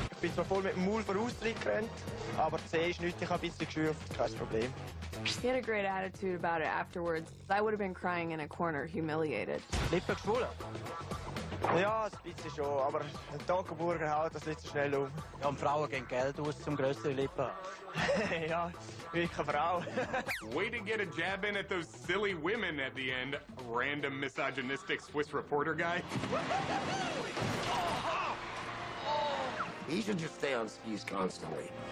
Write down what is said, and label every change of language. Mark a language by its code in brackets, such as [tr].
[de] Ich bin zwar voll mit dem Maul vorausgerannt, aber zuerst nicht, ich habe ein bisschen geschürft. Kein Problem. [en] He had a great attitude about it afterwards. I would have been crying in a corner, humiliated. [de] Lippen geschwollen. Ja, ein bisschen schon, aber ein Toggenburger haut das nicht so schnell um. Ja, und Frauen geben Geld aus zum größeren Lippen. Ja, wie eine Frau. [en] Way to get a jab in at those silly women at the end, random misogynistic Swiss reporter guy. He should just stay on skis constantly.